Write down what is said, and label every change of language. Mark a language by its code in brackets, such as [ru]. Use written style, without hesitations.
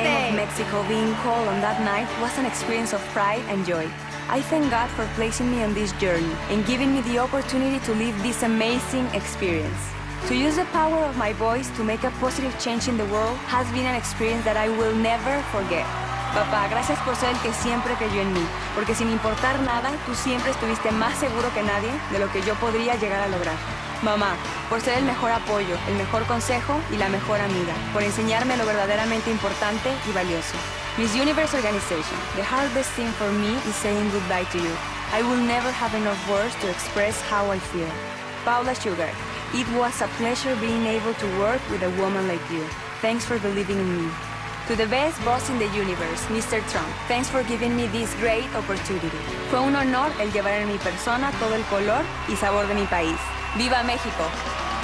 [en] The name of Mexico being called on that night was an experience of pride and joy. I thank God for placing me on this journey and giving me the opportunity to live this amazing experience. To use the power of my voice to make a positive change in the world has been an experience that I will never forget. [es] Papá, gracias por ser el que siempre creyó en mí, porque sin importar nada, tú siempre estuviste más seguro que nadie de lo que yo podría llegar a lograr. Mamá, por ser el mejor apoyo, el mejor consejo y la mejor amiga, por enseñarme lo verdaderamente importante y valioso. [en] Miss Universe Organization, the hardest thing for me is saying goodbye to you. I will never have enough words to express how I feel. Paula Sugar, it was a pleasure being able to work with a woman like you. Thanks for believing in me. To the best boss in the universe, Mr. Trump, thanks for giving me this great opportunity. [es] Fue un honor el llevar en mi persona todo el color y sabor de mi país. ¡Viva México!